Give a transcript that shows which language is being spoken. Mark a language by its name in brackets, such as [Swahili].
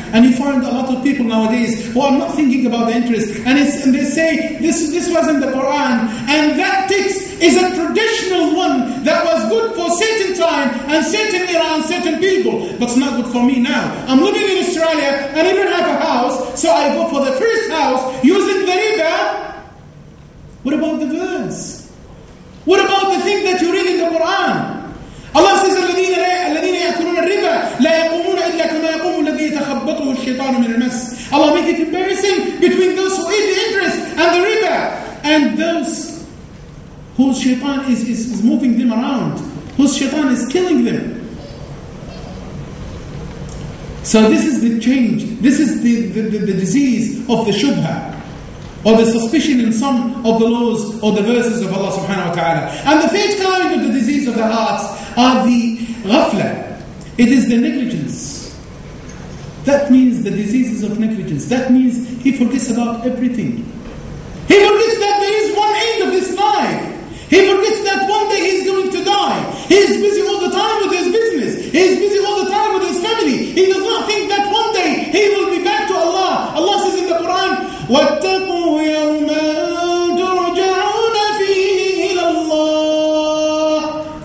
[English] And you find a lot of people nowadays who are not thinking about the interest, and it's, and they say this was in the Quran, and that text is a traditional one that was good for certain time and certain era and certain people, but it's not good for me now. I'm living in Australia and I don't have a house, so I go for the first house using the riba. What about the verse? What about the thing that you read in the Quran? Allah says, [Arabic] الَّذِينَ يَأْكُلُونَ الرِّبَى لَا يَقُومُونَ إِلَّا كَمَا يَقُومُ الَّذِي يَتَخَبَّطُهُ الشَّيْطَانُ مِنَ الْمَسِ. [English] Allah make it embarrassing between those who eat the interest and the riba and those whose shaitan is moving them around, whose shaitan is killing them. So this is the change, this is the disease of the shubha, or the suspicion in some of the laws or the verses of Allah subhanahu wa ta'ala. And the third kind of the disease of the hearts are the ghafla. It is the negligence. That means the diseases of negligence. That means he forgets about everything. He forgets that there is one end of this life. He forgets that one day he's going to die. He is busy all the time with his business. He is busy all the time with his family. He does not think that one day he will be back to Allah. Allah says in the Quran, [Arabic] وَاتَّقُوا يَوْمًا تُرْجَعُونَ فِيهِ إِلَى اللَّهِ.